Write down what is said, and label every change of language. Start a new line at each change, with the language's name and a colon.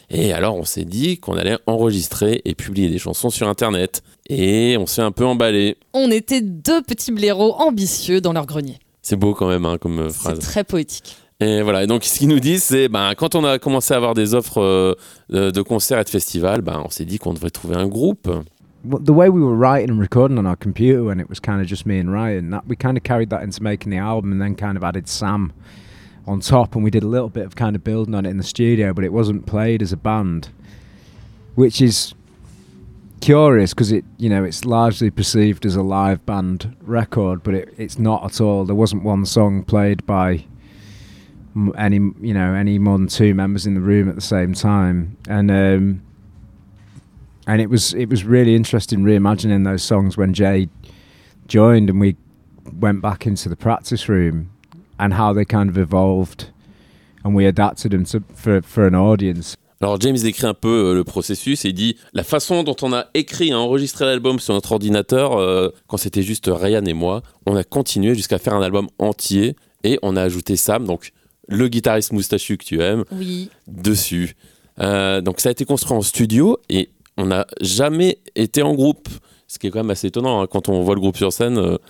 French: Et alors, on s'est dit qu'on allait enregistrer et publier des chansons sur Internet. Et on s'est un peu emballé. On était deux petits blaireaux ambitieux dans leur grenier. C'est beau quand même, hein, comme phrase. C'est très poétique. Et voilà, et donc ce qu'ils nous disent, c'est ben, quand on a commencé à avoir des offres de concerts et de festivals, ben, on s'est dit qu'on devrait trouver un groupe.
English: The way we were writing and recording on our computer, and it was kind of just me and Ryan, that we kind of carried that into making the album and then kind of added Sam on top, and we did a little bit of kind of building on it in the studio, but it wasn't played as a band, which is curious because it, you know, it's largely perceived as a live band record, but it's not at all. There wasn't one song played by any, you know, any more than two members in the room at the same time. And it was really interesting reimagining those songs when Jay joined and we went back into the practice room and how they kind of evolved and we adapted them to, for an audience.
French: Alors James décrit un peu le processus et dit la façon dont on a écrit et enregistré l'album sur notre ordinateur quand c'était juste Ryan et moi, on a continué jusqu'à faire un album entier et on a ajouté Sam, donc le guitariste moustachu que tu aimes, oui, dessus. Donc ça a été construit en studio et on n'a jamais été en groupe, ce qui est quand même assez étonnant hein, quand on voit le groupe sur scène.